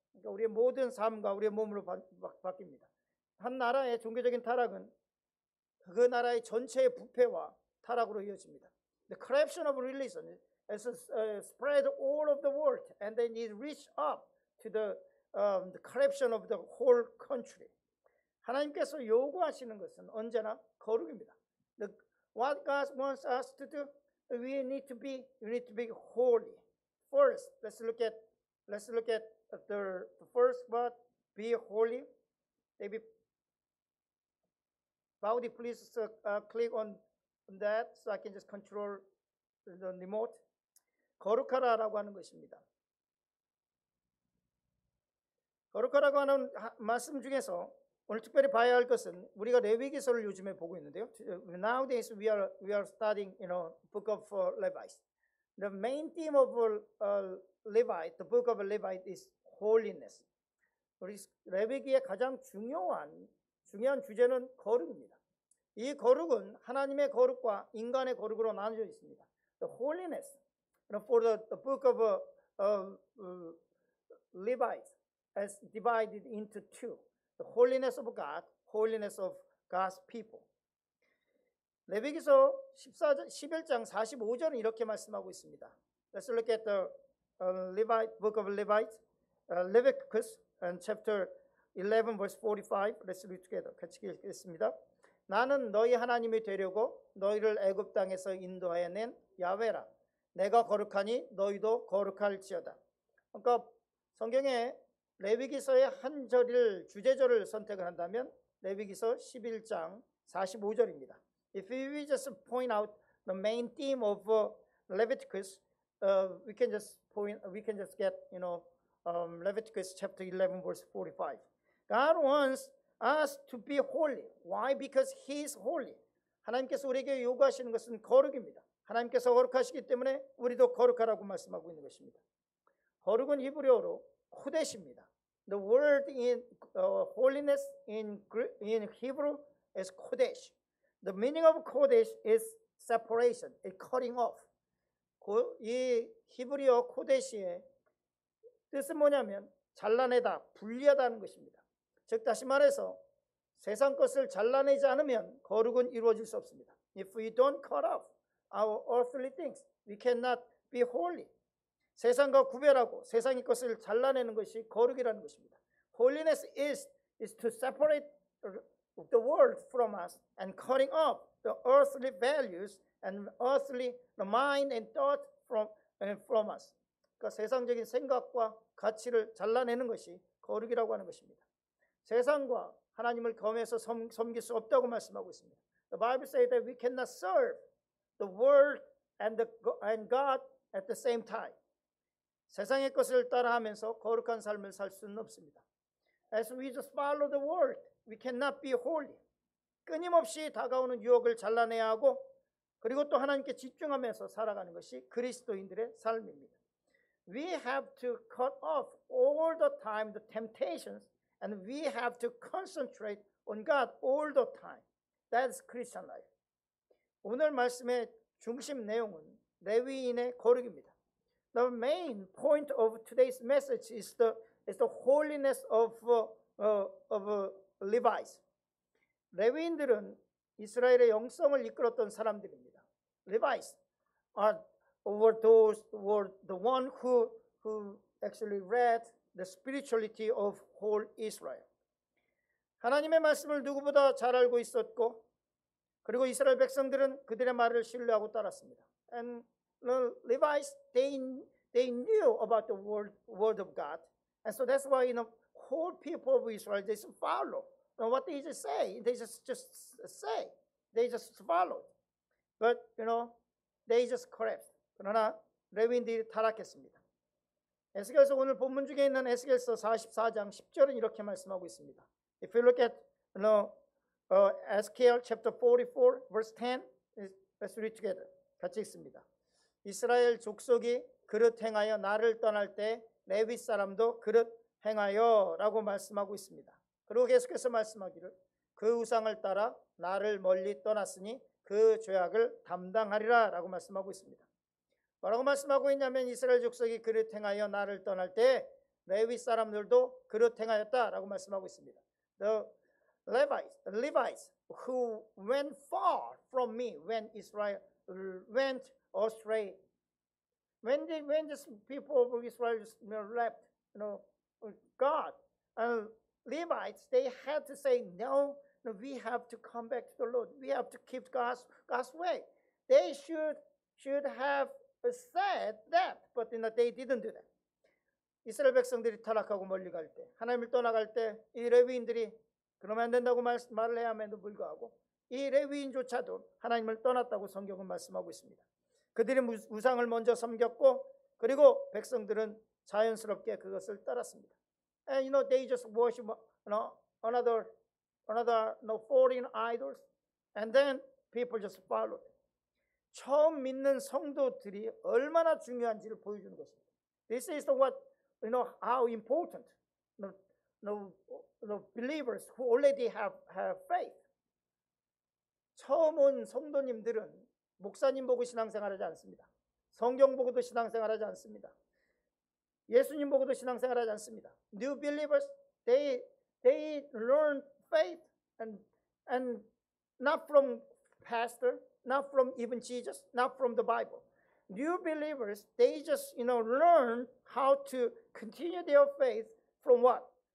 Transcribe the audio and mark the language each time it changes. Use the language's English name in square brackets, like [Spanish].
[Korean] 그러니까 우리의 모든 삶과 우리의 몸으로 바뀝니다. 한 나라의 종교적인 타락은 그 나라의 전체의 부패와 타락으로 이어집니다. [English] The corruption of religion has spread all over the world, and then it reached up to the corruption of the whole country. [Korean] 하나님께서 요구하시는 것은 언제나 거룩입니다. [English] What God wants us to do, we need to be holy. First, let's look at the first part. Be holy. Baudi, please click on that so I can just control the remote. [Korean] 거룩하라라고 하는 것입니다. 거룩하라고 하는 말씀 중에서 오늘 특별히 봐야 할 것은 우리가 레위기서를 요즘에 보고 있는데요. [English] Nowadays we are studying, you know, book of Levites. The main theme of Levite, the book of Levite is holiness. [Korean] 우리 레위기의 가장 중요한 주제는 거룩입니다. 이 거룩은 하나님의 거룩과 인간의 거룩으로 나뉘어 있습니다. [English] The holiness, you know, for the book of Levites is divided into two. The holiness of God, holiness of God's people. [Korean] 레위기서 11장 45절은 이렇게 말씀하고 있습니다. [English] Let's look at the book of Levites, Leviticus and chapter 11, verse 45. Let's read together. [Korean] 같이 읽겠습니다. 나는 너희 하나님이 되려고 너희를 애굽 땅에서 인도해 낸 야훼라. 내가 거룩하니 너희도 거룩할지어다. 그러니까 성경에 레위기서의 한 절을 주제절을 선택을 한다면 레위기서 11장 45절입니다. [English] If we just point out the main theme of Leviticus, we can just get, you know, Leviticus chapter 11 verse 45. God wants us to be holy. Why? Because He is holy. [Korean] 하나님께서 우리에게 요구하시는 것은 거룩입니다. 하나님께서 거룩하시기 때문에 우리도 거룩하라고 말씀하고 있는 것입니다. 거룩은 히브리어로 코데시입니다. [English] The word in holiness in Hebrew is kodesh. The meaning of kodesh is separation, a cutting off. [Korean] 이 히브리어 kodesh의 뜻은 뭐냐면 잘라내다, 분리하다는 것입니다. 즉 다시 말해서 세상 것을 잘라내지 않으면 거룩은 이루어질 수 없습니다. [English] If we don't cut off our earthly things, we cannot be holy. [Korean] 세상과 구별하고 세상의 것을 잘라내는 것이 거룩이라는 것입니다. [English] Holiness is to separate the world from us and cutting off the earthly values and earthly the mind and thought from us. [Korean] 그러니까 세상적인 생각과 가치를 잘라내는 것이 거룩이라고 하는 것입니다. 세상과 하나님을 겸해서 섬길 수 없다고 말씀하고 있습니다. [English] The Bible says that we cannot serve the world and God at the same time. [Korean] 세상의 것을 따라하면서 거룩한 삶을 살 수는 없습니다. [English] As we just follow the world, we cannot be holy. [Korean] 끊임없이 다가오는 유혹을 잘라내야 하고 그리고 또 하나님께 집중하면서 살아가는 것이 그리스도인들의 삶입니다. [English] We have to cut off all the time the temptations And we have to concentrate on God all the time. That's Christian life. [Korean] 오늘 말씀의 중심 내용은 레위인의 거룩입니다. [English] The main point of today's message is the holiness of Levites. [Korean] 레위인들은 이스라엘의 영성을 이끌었던 사람들입니다. [English] Levites were the one who actually read the spirituality of whole Israel. [Korean] 하나님의 말씀을 누구보다 잘 알고 있었고 그리고 이스라엘 백성들은 그들의 말을 신뢰하고 따랐습니다. [English] And the Levites, they knew about the word of God. And so that's why, you know, whole people of Israel, they just follow. And what they just say, they just say. They just follow. But, you know, they just collapsed. [Korean] 그러나 레위인들이 타락했습니다. 에스겔서 오늘 본문 중에 있는 에스겔서 44장 10절은 이렇게 말씀하고 있습니다. [English] If you look at, you know, Ezekiel chapter 44 verse 10, let's read together. [Korean] 같이 읽습니다. 이스라엘 족속이 그릇 행하여 나를 떠날 때 레위 사람도 그릇 행하여 라고 말씀하고 있습니다. 그리고 계속해서 말씀하기를 그 우상을 따라 나를 멀리 떠났으니 그 죄악을 담당하리라 라고 말씀하고 있습니다. 뭐라고 말씀하고 있냐면 이스라엘 족속이 그릇 행하여 나를 떠날 때 레위 사람들도 그릇 행하였다 라고 말씀하고 있습니다. [English] The Levites who went far from me when Israel went astray. When these people of Israel left, you know, God, and Levites, they had to say, no, we have to come back to the Lord. We have to keep God's way. They should have said that, but you know, they didn't do that. [Korean] 이스라엘 백성들이 타락하고 멀리 갈 때, 하나님을 떠나갈 때, 이 레위인들이 그러면 안 된다고 말을 해야만도 불구하고 이 레위인조차도 하나님을 떠났다고 성경은 말씀하고 있습니다. 그들이 우상을 먼저 섬겼고 그리고 백성들은 자연스럽게 그것을 따랐습니다. [English] And you know they just worship another foreign idols and then people just followed. [Korean] 처음 믿는 성도들이 얼마나 중요한지를 보여주는 것입니다. [English] This is what you know how important the believers who already have faith. [Korean] 처음 온 성도님들은 목사님 보고 신앙생활하지 않습니다. 성경 보고도 신앙생활하지 않습니다. 예수님 보고도 신앙생활하지 않습니다. [English] New believers, they learn faith and not from pastor, not from even Jesus, not from the Bible. New believers, they just you know learn how to continue their faith from what?